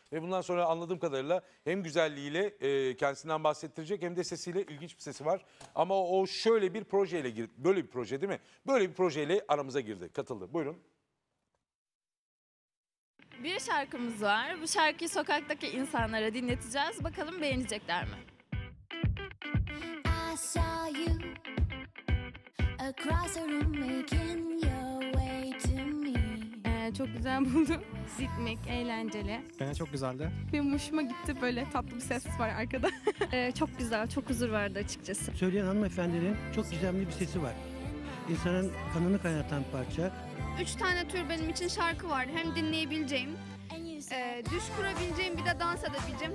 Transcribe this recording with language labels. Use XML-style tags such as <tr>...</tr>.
<tr>Ve bundan sonra anladığım kadarıyla hem güzelliğiyle kendisinden bahsettirecek hem de sesiyle, ilginç bir sesi var. Ama o şöyle bir projeyle girdi. Böyle bir proje değil mi? Böyle bir projeyle aramıza girdi, katıldı. Buyurun. Bir şarkımız var. Bu şarkıyı sokaktaki insanlara dinleteceğiz. Bakalım beğenecekler mi?</tr> <en>saw you across the room making your way to me.</en> <tr>Çok güzel buldum. Ritmik, eğlenceli. Bana çok güzeldi. Benim hoşuma gitti, böyle tatlı bir ses var arkada. Çok güzel, çok huzur verdi açıkçası. Söyleyen hanımefendinin çok güzel bir sesi var. İnsanın kanını kaynatan parça. 3 tane tür benim için şarkı var. Hem dinleyebileceğim, düş kurabileceğim, bir de dans edebileceğim.</tr>